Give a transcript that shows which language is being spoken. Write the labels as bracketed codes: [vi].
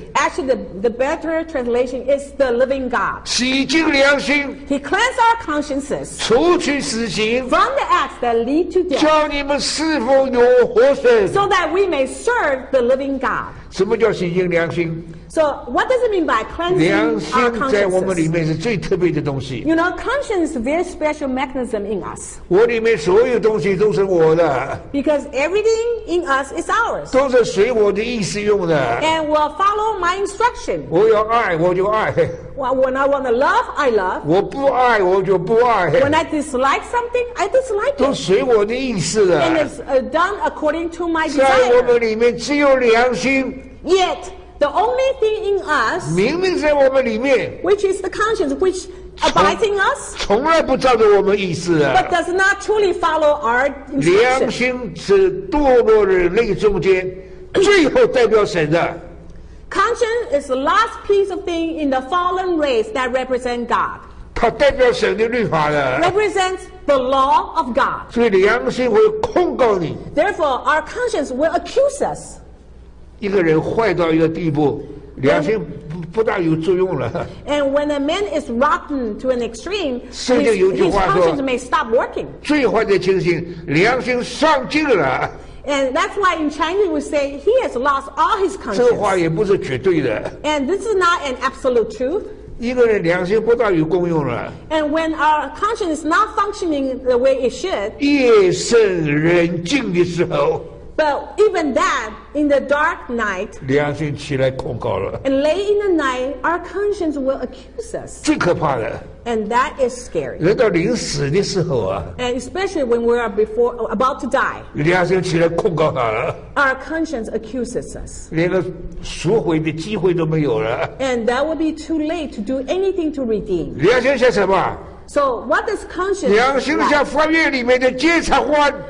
[en] Actually the better translation is the living God [zh] 洗净良心 [en] He cleansed our consciences [zh] 除去死刑 [en] From the acts that lead to death [zh] 叫你们侍奉永活神 [en] So that we may serve the living God [zh] 什么叫洗净良心 [en] So what does it mean by cleansing our consciences [zh] 良心在我们里面是最特别的东西 [en] You know conscience is a very special mechanism in us [zh] 我里面所有东西都是我的 [en] Because everything in us is ours [zh] 都是随我的意思用的 [en] And will followMy instruction. [zh] 我要爱我就爱 [en] When I want to love, I love. [zh] 我不爱我就不爱 [en] When I dislike something, I dislike it. [zh] 都随我的意思的 [en] And it's done according to my desire. [zh] 在我们里面只有良心 [en] Yet, the only thing in us, [zh] 明明在我们里面 [en] which is the conscience, which abides in us, [zh] 从来不照着我们意思的 [en] but does not truly follow our instruction. [zh] 良心是堕落人类中间最后代表神的 [en] Conscience is the last piece of thing in the fallen race that represents God. [zh] 它代表神的律法的。 [en] Represents the law of God. [zh] 所以良心会控告你。 [en] Therefore, our conscience will accuse us. [zh] 一个人坏到一个地步，良心不大有作用了。 [en] And when a man is rotten to an extreme, [zh] 圣经有句话说， [en] his conscience may stop working. [zh] 最坏的情形，良心丧尽了。 [en] And that's why in Chinese we say he has lost all his conscience. [zh] 这话也不是绝对的。 [en] And this is not an absolute truth. [zh] 一个人良心不大有功用了。 [en] And when our conscience is not functioning the way it should. [zh] 夜深人静的时候。 [en] But even that, in the dark night. [zh] 良心起来控告了。 [en] And late in the night, our conscience will accuse us. [zh] 最可怕的。 [en] And that is scary. [zh] 人到临死的时候啊。 [en] And especially when we are before, about to die. [zh] 良心起来控告他了。 [en] Our conscience accuses us. [zh] 连个赎回的机会都没有了。 [en] And that would be too late to do anything to redeem. [zh] 良心像什么？ [en] So what does conscience like? [zh] 良心像翻越里面的监察官。